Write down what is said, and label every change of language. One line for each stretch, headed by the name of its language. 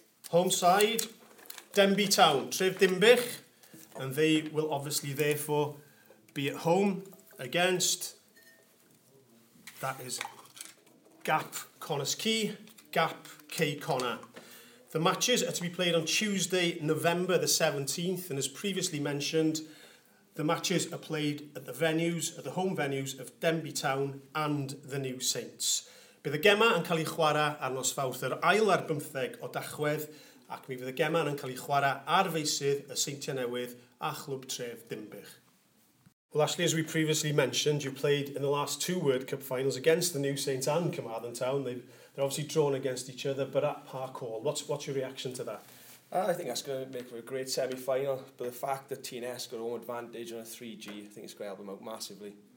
English: Home side. Denbigh Town, Tref Dinbych, and they will obviously therefore be at home against, that is Gap Connorskey, Gap K Connor. The matches are to be played on Tuesday, November the 17th, and as previously mentioned, the matches are played at the venues, at the home venues of Denbigh Town and the New Saints.
Welsh: Bydd y gemau yn cael eu chwarae ar nos fawrth yr ail ar 15 o Dachwedd, ac mi fydd y gemau yn cael eu chwarae ar feisydd y St Llanewydd a Chlwb Tref Dinbych.
English: Well, Ashley, as we previously mentioned, you played in the last two World Cup finals against the New Saints and Carmarthen Town. They're obviously drawn against each other, but at Park Hall. What's your reaction to that? I think that's going to make for a great semi-final, but the fact that TNS got home advantage on a 3G, I think it's going to help them out massively.